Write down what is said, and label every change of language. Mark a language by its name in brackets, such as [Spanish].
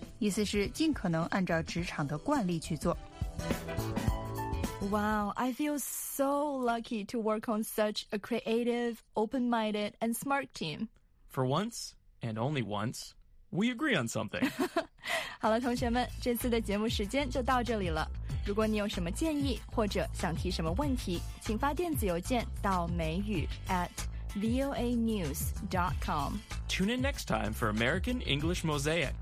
[Chinese] 意思是尽可能按照职场的惯例去做 [English] Wow, I feel so lucky to work on such a creative, open-minded, and smart team. For once, and only once, we agree on something. [Chinese] 好了，同学们，这次的节目时间就到这里了。如果你有什么建议或者想提什么问题，请发电子邮件到美语 at [English] voanews.com. Tune in next time for American English Mosaic.